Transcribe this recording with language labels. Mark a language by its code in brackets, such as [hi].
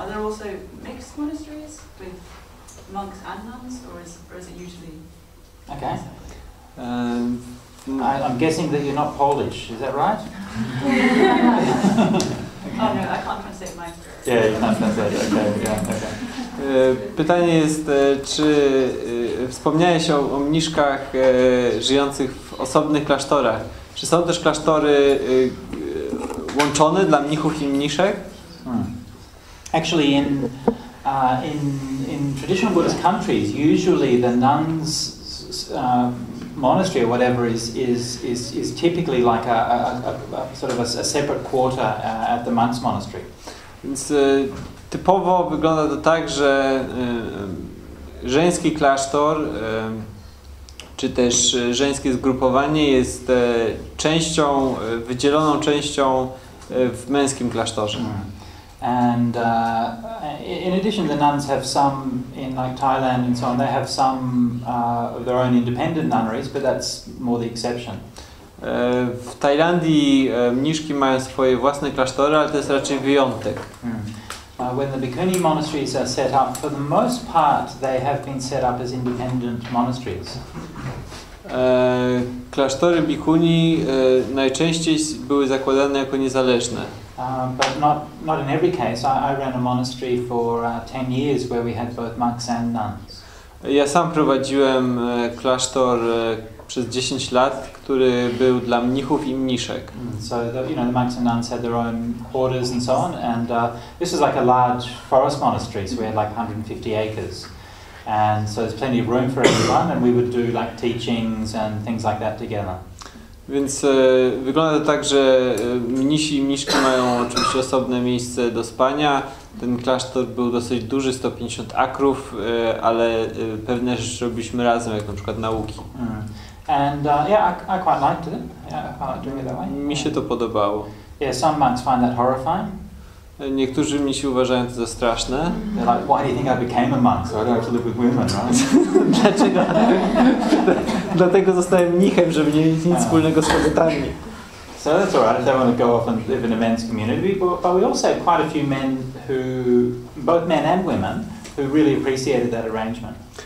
[en] Are there also mixed monasteries with monks and nuns, or is it usually... Okay. I'm guessing that you're not Polish, is that right? Oh, no, I can't translate my experience. Yeah, you can't translate. Okay. [pl] Pytanie jest, czy wspomniałeś o mniszkach żyjących w osobnych klasztorach. Czy są też klasztory łączone dla mnichów i mniszek? [en] Actually, in traditional Buddhist countries, usually the nuns monastery or whatever is typically like a separate quarter at the monks' monastery. [pl] Więc typowo wygląda to tak, że żeński klasztor czy też żeńskie zgrupowanie jest częścią, wydzieloną częścią w męskim klasztorze. [en] And in addition, the nuns have some in like Thailand and so on. They have some of their own independent nunneries, but that's more the exception. [pl] W Tajlandii mniszki mają swoje własne klasztory, ale to jest raczej wyjątek. [en] When the bhikkhuni monasteries are set up, for the most part, they have been set up as independent monasteries. [pl] Klasztory bhikkhuni najczęściej były zakładane jako niezależne. [en] But not in every case. I ran a monastery for 10 years where we had both monks and nuns. [pl] Ja sam prowadziłem klasztor przez 10 lat, który był dla mnichów i mniszek. [en] So the monks and nuns had their own quarters and so on, and this was like a large forest monastery, so we had like 150 acres. And so there's plenty of room for everyone, and we would do like teachings and things like that together. [pl] Więc wygląda to tak, że mnisi i mniszki mają oczywiście osobne miejsce do spania. Ten klasztor był dosyć duży, 150 akrów, ale pewne rzeczy robiliśmy razem, jak na przykład nauki. [en] And I quite liked it. Yeah, I quite doing it that way. [pl] Mi się to podobało. [en] Yeah, some monks find that horrifying. [pl] Niektórzy mnisi uważają to za straszne. [en] They're like, why do you think I became a monk? So I don't have to live with women, right? [pl] Dlaczego? Dlatego zostałem mnichem, żeby nie mieć nic wspólnego z kobietami. [en] So that's all right if they want to go off and live in a men's community. But we also have quite a few men who, both men and women, who really appreciated that arrangement.